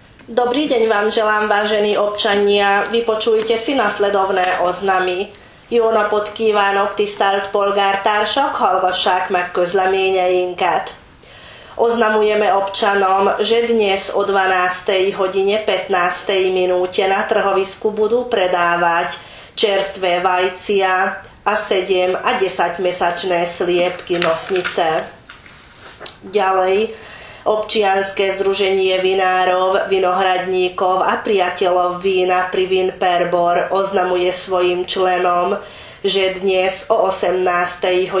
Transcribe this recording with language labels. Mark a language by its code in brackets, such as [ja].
[sk] Dobrý deň vám želám, vážení občania. Vypočujte si nasledovné oznamy. [hu] Jóna podkívánok, tisztelt polgártársak, hallgassák meg közleményeinket. [sk] Oznamujeme občanom, že dnes o 12. hodine 15. minúte na trhovisku budú predávať čerstvé vajcia a 7 a 10 mesačné sliepky nosnice. Ďalej, občianske združenie vinárov, vinohradníkov a priateľov vína pri Vinperbor oznamuje svojim členom, že dnes o 18.